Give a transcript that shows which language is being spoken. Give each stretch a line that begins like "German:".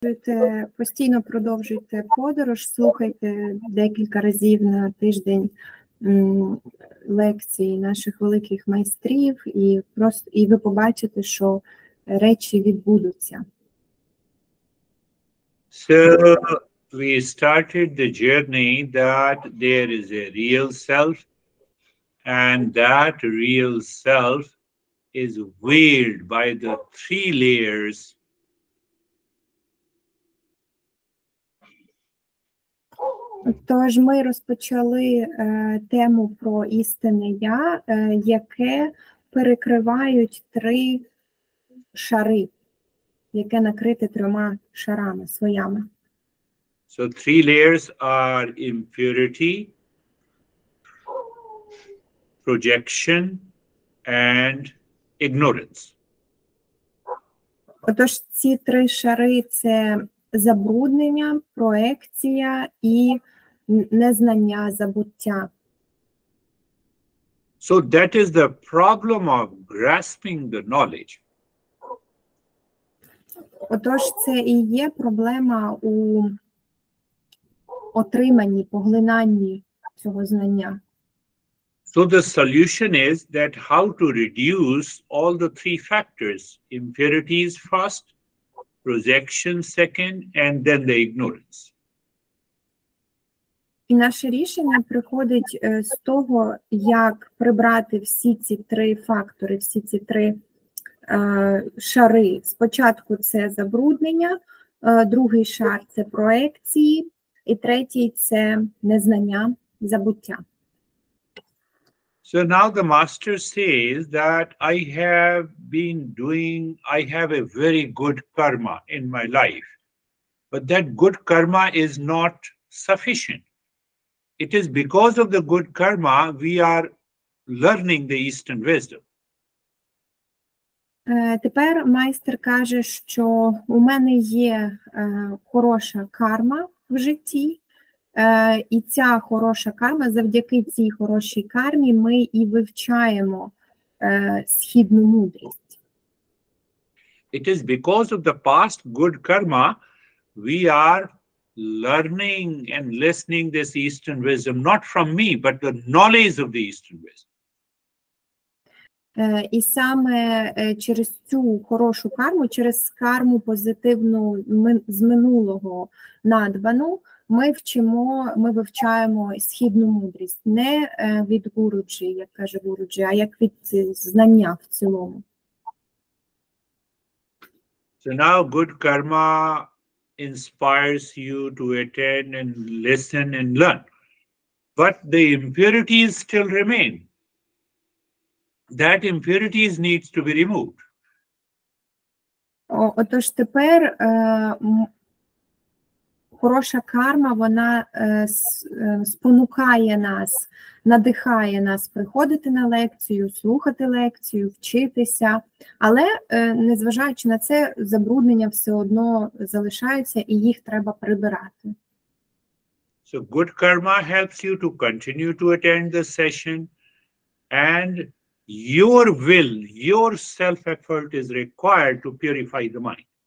Ukrainian: Будете постійно продовжуйте подорож, слухайте декілька разів на тиждень лекції наших великих майстрів, і ви побачите, що речі відбудуться.
English: So we started the journey that there is a real self, and that real self is veiled by the three layers.
Ukrainian: Тож ми розпочали тему про істинне я, яке перекривають три шари, яке накрите трьома шарами, слоями.
English: So three layers are impurity, projection, and ignorance.
Ukrainian: Отож, ці три шари – це забруднення, проекція і незнання, забуття.
English: So that is the problem of grasping the knowledge.
Ukrainian: Отож, це і є проблема у отриманні, поглинанні цього знання.
English: So the solution is that how to reduce all the three factors, impurities first, projection second, and then the ignorance.
Ukrainian: І наше рішення приходить з того, як прибрати всі ці три фактори, всі ці три шари. Спочатку це забруднення, другий шар – це проекції, і третій – це незнання, забуття.
English: So now the master says that I have a very good karma in my life, but that good karma is not sufficient. It is because of the good karma we are learning the Eastern wisdom.
Ukrainian: Тепер майстер каже, що у мене є хороша карма в житті, і ця хороша карма, завдяки цій хорошій кармі, ми і вивчаємо східну мудрість.
English: It is because of the past good karma we are learning and listening this Eastern wisdom, not from me, but the knowledge of the Eastern wisdom.
Ukrainian: І саме через цю хорошу карму, через карму позитивну з минулого надбану, ми вивчаємо східну мудрість. Не від Гуруджі, як каже Гуруджі, а як від знання в цілому.
English: So now good karma inspires you to attend and listen and learn. But the impurities still remain. That impurities needs to be removed.
Ukrainian: Отож, тепер хороша карма, вона спонукає нас, надихає нас приходити на лекцію, слухати лекцію, вчитися. Але, незважаючи на це, забруднення все одно залишаються і їх треба прибирати.
English: So good karma helps you to continue to attend the session, and your will, your self-effort is required to purify the mind.